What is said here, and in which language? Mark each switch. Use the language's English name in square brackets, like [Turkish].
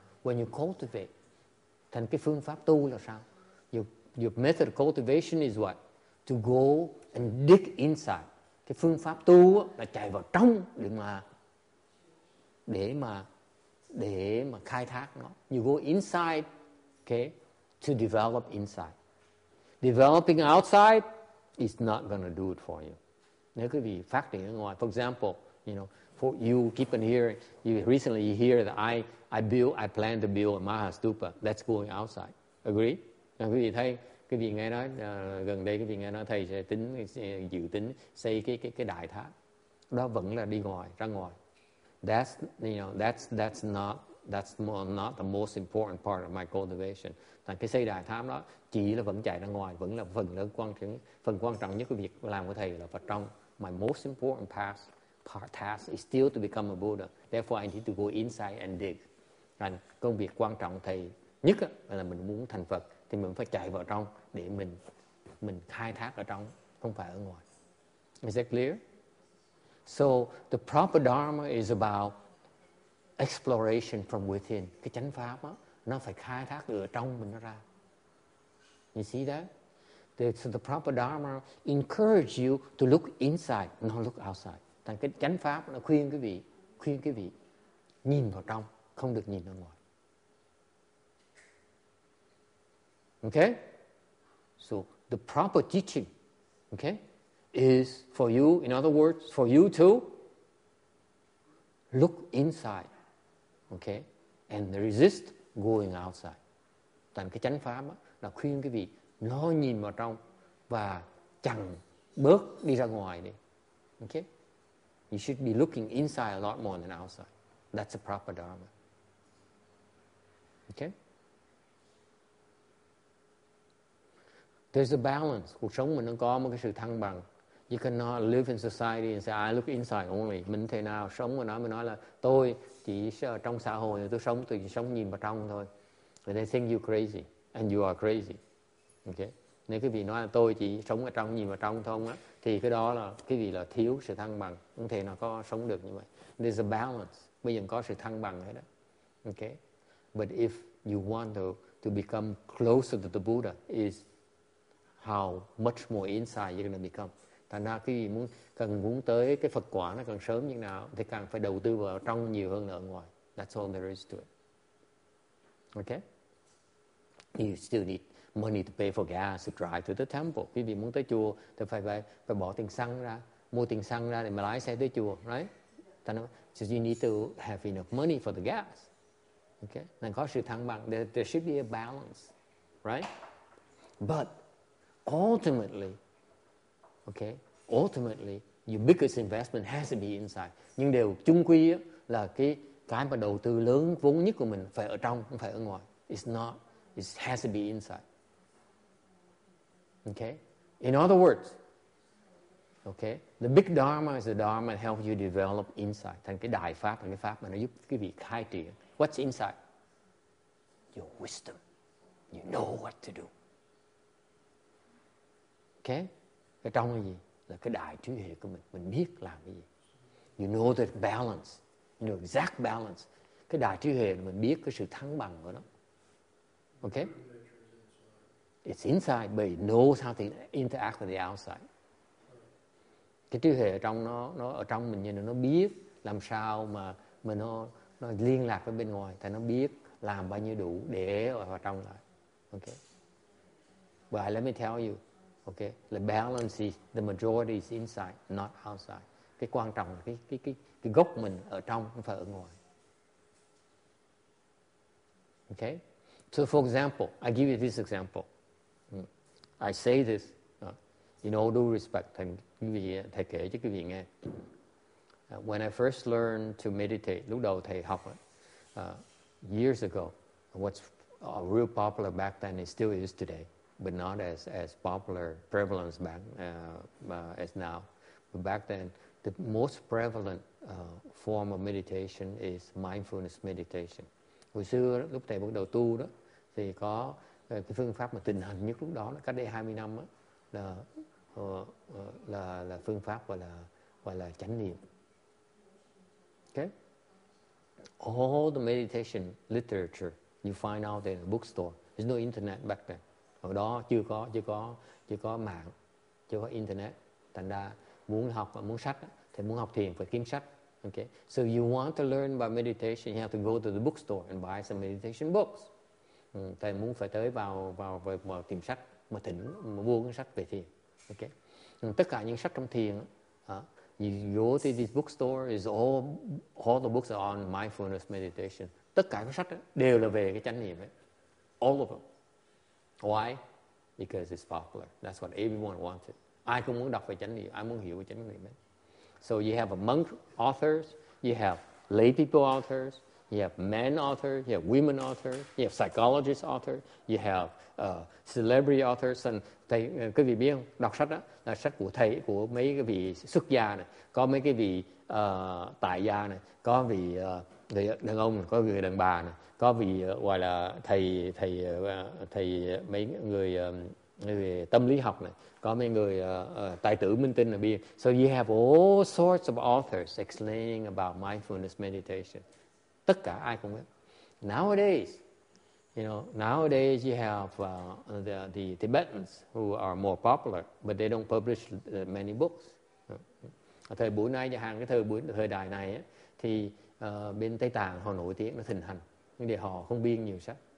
[English] When you cultivate, [Vietnamese] thành cái phương pháp tu là sao? [English] Your method of cultivation is what? To go and dig inside. [Vietnamese] Cái phương pháp tu là chạy vào trong để mà khai thác nó. [English] You go inside, okay, to develop inside. Developing outside is not going to do it for you. [Vietnamese] Nếu quý vị phát triển ở ngoài, [English] for example, you know, for you keep on hearing, you recently you hear that I plan to build a Mahastupa. That's going outside. Agree? [Vietnamese] Nếu quý vị thấy, quý vị nghe nói, gần đây quý vị nghe nói thầy sẽ tính, dự tính xây cái đại tháp. Đó vẫn là đi ngoài, ra ngoài. [English] That's, you know, that's not the most important part of my cultivation. [Vietnamese] Thành cái xây đại tháp đó chỉ là vẫn chạy ra ngoài, vẫn là phần quan trọng nhất của việc làm của thầy là vào trong. [English] My most important task is still to become a Buddha. Therefore, I need to go inside and dig. [Vietnamese] Thành công việc quan trọng thầy nhất là mình muốn thành Phật thì mình phải chạy vào trong để mình khai thác ở trong, không phải ở ngoài. [English] Is that clear? So the proper dharma is about exploration from within. [Vietnamese] Cái chánh pháp đó, nó phải khai thác từ trong mình nó ra. [English] You see that? The proper dharma encourage you to look inside, not look outside. [Vietnamese] Thành cái chánh pháp nó khuyên quý vị nhìn vào trong, không được nhìn ra ngoài. [English] Okay? So the proper teaching, okay, is for you, in other words, for you to look inside. Okay, and resist going outside. [Vietnamese] Thành cái chánh pháp á, là khuyên quý vị lo nhìn vào trong và chẳng bớt đi ra ngoài đi. [English] Okay, you should be looking inside a lot more than outside. That's a proper dharma. Okay, there's a balance. [Vietnamese] Cuộc sống mình nó có một cái sự thăng bằng. [English] You cannot live in society and say, I look inside only. [Vietnamese] Mình thế nào sống mà nói, mình nói là tôi chỉ trong xã hội, tôi chỉ sống nhìn vào trong thôi. [English] And they think you crazy. And you are crazy. Okay? [Vietnamese] Nếu quý vị nói là tôi chỉ sống ở trong, nhìn vào trong thôi, thì cái đó là quý vị là thiếu sự thăng bằng. Không thể nào có sống được như vậy. [English] There's a balance. [Vietnamese] Bây giờ có sự thăng bằng hết đó. [English] Okay? But if you want to become closer to the Buddha, is how much more inside you're going to become. [Vietnamese] Thành ra quý vị cần muốn tới cái Phật quả nó càng sớm như nào thì càng phải đầu tư vào trong nhiều hơn ở ngoài. [English] That's all there is to it. Okay? You still need money to pay for gas to drive to the temple. [Vietnamese] Quý vị muốn tới chùa thì phải bỏ tiền xăng ra, mua tiền xăng ra để mà lái xe tới chùa, right? [English] So you need to have enough money for the gas. Okay? [Vietnamese] Nên có sự thăng bằng. [English] There should be a balance. Right? But ultimately, okay, ultimately, your biggest investment has to be inside. [Vietnamese] Nhưng điều chung quy là cái mà đầu tư lớn vốn nhất của mình phải ở trong, không phải ở ngoài. [English] It's not, it has to be inside. Okay? In other words, okay, the big dharma is the dharma that helps you develop insight. [Vietnamese] Thành cái đại pháp là cái pháp mà nó giúp quý vị khai triển. [English] What's inside? Your wisdom. You know what to do. [Vietnamese] Okay? Cái trong là gì? Là cái đại trí huệ của mình. Mình biết làm cái gì. [English] You know the balance. You know exact balance. [Vietnamese] Cái đại trí huệ mình biết cái sự thăng bằng của nó. [English] Okay? It's inside, but it knows how to interact with the outside. [Vietnamese] Cái trí huệ ở trong nó ở trong mình nhìn nó biết làm sao mà mình nó liên lạc với bên ngoài, tại nó biết làm bao nhiêu đủ để vào trong lại. [English] Okay. But let me tell you, okay, the balance is the majority is inside, not outside. [Vietnamese] Cái quan trọng là cái gốc mình ở trong không phải ở ngoài. [English] Okay. So for example, I give you this example. I say this in all due respect. [Vietnamese] Thầy kể cho quý vị nghe. [English] When I first learned to meditate, [Vietnamese] lúc đầu thầy học [English] years ago, what's real popular back then, it still is today, but not as popular prevalence back as now. But back then, the most prevalent form of meditation is mindfulness meditation. [Vietnamese] Hồi xưa lúc thầy bắt đầu tu đó, thì có cái phương pháp mà tịnh hành nhất lúc đó, cách đây 20 năm đó, là phương pháp gọi là chánh niệm. [English] Okay? All the meditation literature you find out in a bookstore. There's no internet back then. [Vietnamese] Hồi đó chưa có mạng, chưa có internet. Thành ra muốn học và muốn sách thì muốn học thiền phải kiếm sách. [English] Okay? So you want to learn about meditation, you have to go to the bookstore and buy some meditation books. [Vietnamese] Thầy muốn phải tới vào tìm sách mà thỉnh mà mua cái sách về thiền. Okay? Tất cả những sách trong thiền [English] you go to this bookstore is all the books are on mindfulness meditation. [Vietnamese] Tất cả các sách đều là về cái chánh niệm ấy. [English] All of them. Why? Because it's popular. That's what everyone wanted. [Vietnamese] Ai cũng muốn đọc về chánh niệm, ai muốn hiểu về chánh niệm ấy. [English] So you have a monk authors, you have lay people authors, you have men authors, you have women authors, you have psychologist authors, you have celebrity authors. [Vietnamese] And thầy, quý vị biết không? Đọc sách đó là sách của thầy, của mấy cái vị xuất gia này, có mấy cái vị tại gia này, có vị đàn ông, có người đàn bà này, có vị gọi là thầy mấy người tâm lý học này, có mấy người tài tử minh tinh là biên. [English] So you have all sorts of authors explaining about mindfulness meditation. [Vietnamese] Tất cả ai cũng biết. [English] Nowadays, nowadays you have the Tibetans who are more popular, but they don't publish many books. [Vietnamese] Thời buổi này, hàng cái thời đại này ấy, thì bên Tây Tạng họ nổi tiếng, nó thịnh hành, nhưng để họ không biên nhiều sách.